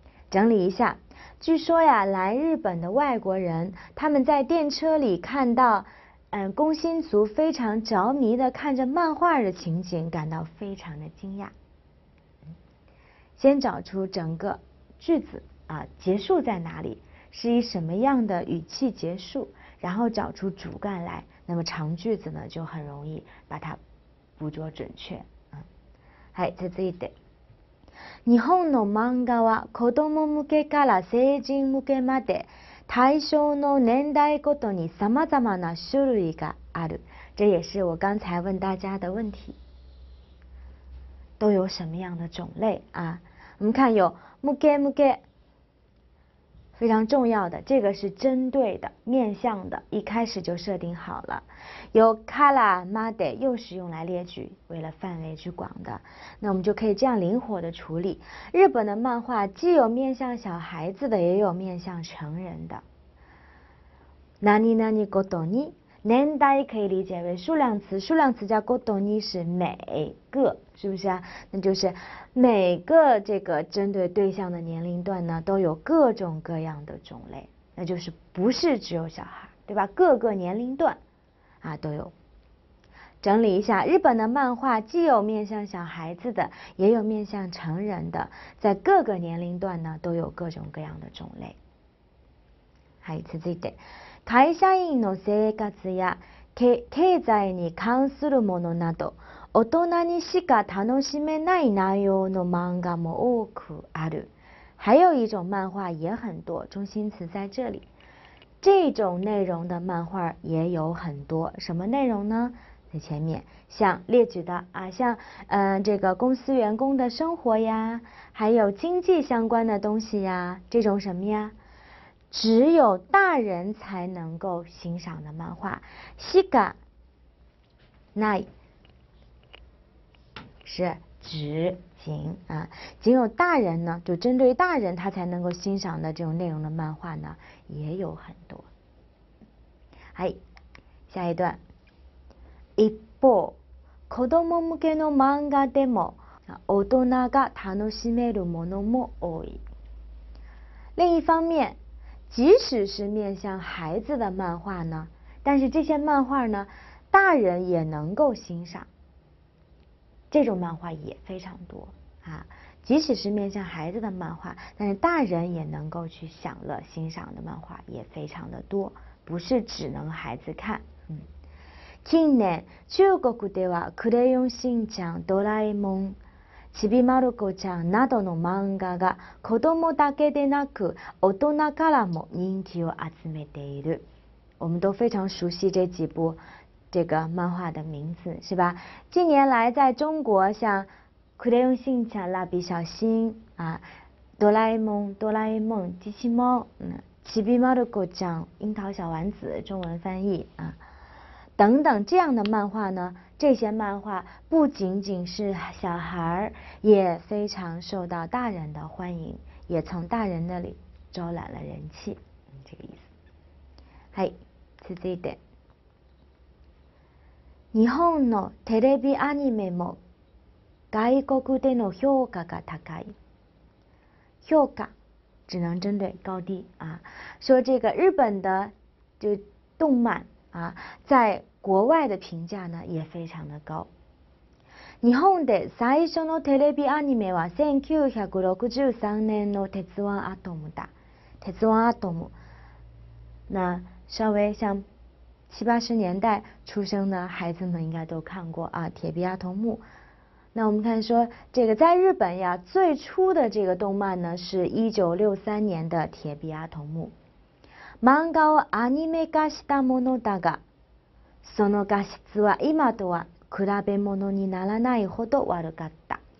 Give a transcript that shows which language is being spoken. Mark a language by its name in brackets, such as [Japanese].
[Chinese] 整理一下，据说呀，来日本的外国人，他们在电车里看到，工薪族非常着迷的看着漫画的情景，感到非常的惊讶。先找出整个句子啊，结束在哪里，是以什么样的语气结束，然后找出主干来，那么长句子呢就很容易把它捕捉准确。 [Japanese] はい、続いて。日本の漫画は子供向けから成人向けまで対象の年代ごとに様々な種類がある。 [Chinese] 这也是我刚才问大家的问题。都有什么样的种类啊？我们看有向け向け，非常重要的，这个是针对的、面向的，一开始就设定好了。有 [Japanese] カラーまで， [Chinese] 又是用来列举，为了范围之广的，那我们就可以这样灵活的处理。日本的漫画既有面向小孩子的，也有面向成人的。 [Japanese] なになにごとに， [Chinese] 年代可以理解为数量词，数量词加ごとに是每个，是不是啊？那就是每个这个针对对象的年龄段呢，都有各种各样的种类，那就是不是只有小孩，对吧？各个年龄段啊都有。整理一下，日本的漫画既有面向小孩子的，也有面向成人的，在各个年龄段呢都有各种各样的种类。 [Japanese] はい、続いて。会社員の生活や経済に関するものなど、大人にしか楽しめない内容の漫画も多くある。 [Chinese] 还有一种漫画也很多，中心词在这里。这种内容的漫画也有很多，什么内容呢？在前面，像列举的啊，像这个公司员工的生活呀，还有经济相关的东西呀，这种什么呀？只有大人才能够欣赏的漫画， [Japanese] しかない [Chinese] 是只仅啊，仅有大人呢，就针对大人他才能够欣赏的这种内容的漫画呢，也有很多。哎，下一段。 [Japanese] 一方、子供向けの漫画でも、大人が楽しめるものも多い。 [Chinese] 另一方面。即使是面向孩子的漫画呢，但是这些漫画呢，大人也能够欣赏。这种漫画也非常多啊，即使是面向孩子的漫画，但是大人也能够去享乐欣赏的漫画也非常的多，不是只能孩子看。 [Japanese] 近年、中国ではクレヨンしんちゃん、ドラえもん、ちびまる子ちゃんなどの漫画が子供だけでなく大人からも人気を集めている。 [Chinese] 我们都非常熟悉这几部这个漫画的名字，是吧？近年来在中国，像クレヨンしんちゃん、蜡笔小新啊，哆啦 A 梦、哆啦 A 梦、机器猫，ちびまる子ちゃん、樱桃小丸子，中文翻译啊，等等这样的漫画呢，这些漫画不仅仅是小孩，也非常受到大人的欢迎，也从大人那里招揽了人气，这个意思。 [Japanese] はい、続いて。日本のテレビアニメも外国での評価が高い。 [Chinese] 評価只能针对高低啊，说这个日本的就动漫啊，在国外的评价呢也非常的高。 [Japanese] 日本で最初のテレビアニメは1963年の鉄腕アトムだ。鉄腕アトム。 [Chinese] 那稍微像七八十年代出生的孩子们应该都看过啊，铁臂阿童木。那我们看说这个在日本呀，最初的这个动漫呢是1963年的铁臂阿童木。 [Japanese] 漫画をアニメ化したものだが、その画質は今とは比べ物にならないほど悪かった。